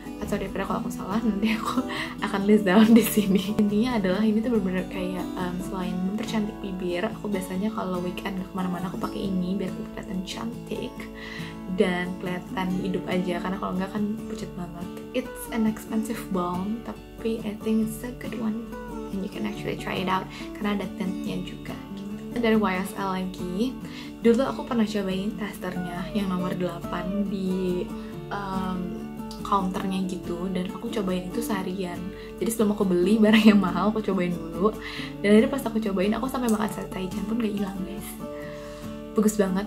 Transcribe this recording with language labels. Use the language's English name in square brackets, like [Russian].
[Indonesian] Sorry, pada kalau aku salah nanti aku akan list down di sini. Intinya adalah ini tuh benar-benar kayak selain mempercantik bibir, aku biasanya kalau weekend ke mana-mana aku pakai ini biar kelihatan cantik dan kelihatan hidup aja, karena kalau enggak kan pucat banget. [English] It's an expensive balm, tapi I think it's a good one and you can actually try it out karena ada tintnya juga. [Indonesian] Dari YSL lagi, dulu aku pernah cobain testernya yang nomor 8 di counternya gitu, dan aku cobain itu seharian. Jadi sebelum aku beli barang yang mahal, aku cobain dulu. Dan dari pas aku cobain, aku sampai makan setaijan pun gak hilang guys. Bagus banget.